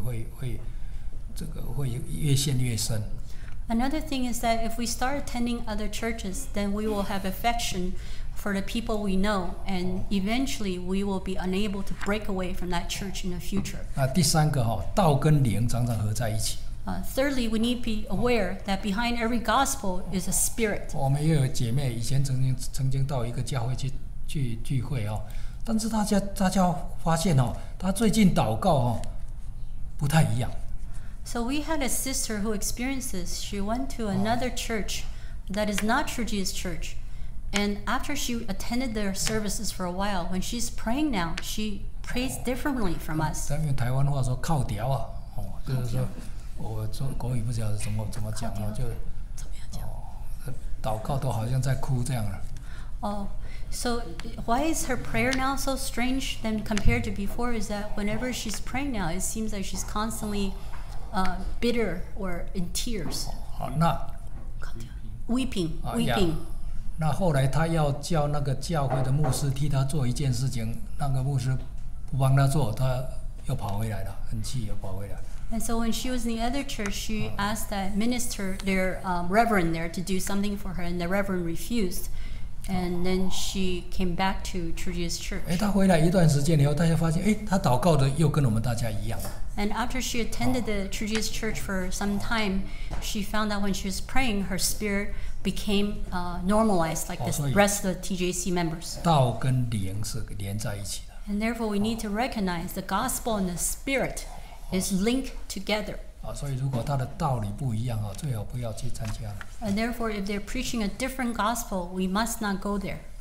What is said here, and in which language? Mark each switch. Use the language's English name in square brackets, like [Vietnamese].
[Chinese] 那第二个，如果我们常常去其他教会聚会久了，人都有感情的，一旦有感情，你会越陷越深。 [English] Another thing is that if we start attending other churches, then we will have affection for the people we know, and eventually we will be unable to break away from that church in the future. [Chinese] 第三个，道跟灵常常合在一起。 [English] Thirdly, we need to be aware that behind every gospel is a spirit. [Chinese] 我们也有姐妹以前曾经到一个教会去聚会，但是大家发现，她最近祷告不太一样。 [English] So we had a sister who experienced this. She went to another church that is not Trudy's church. And after she attended their services for a while, when she's praying now, she prays differently from us. [Chinese] 咱用台湾话说靠调啊，哦，就是说，我说国语不知道是怎么讲了，就怎么样讲，哦，祷告都好像在哭这样了。 [English] Oh, so why is her prayer now so strange than compared to before? Is that whenever she's praying now, it seems like she's constantly bitter or in tears. [Chinese] 好，那 [English] weeping. [Chinese] 那后来他要叫那个教会的牧师替他做一件事情，那个牧师不帮他做，他又跑回来了，很气又跑回来。 [English] And so when she was in the other church, she asked that minister, their reverend there, to do something for her, and the reverend refused. And then she came back to Trudy's church. [Chinese] 哎，他回来一段时间以后，大家发现，哎，他祷告的又跟我们大家一样。 [English] And after she attended the Trudy's church for some time, she found that when she was praying, her spirit became normalized like the rest of the TJC members. [Chinese] 道跟灵是连在一起的。 [English] And therefore, we need to recognize the gospel and the spirit is linked together. [Chinese] 所以如果他的道理不一样，最好不要去参加。 [English] And therefore, if they're preaching a different gospel, we must not go there.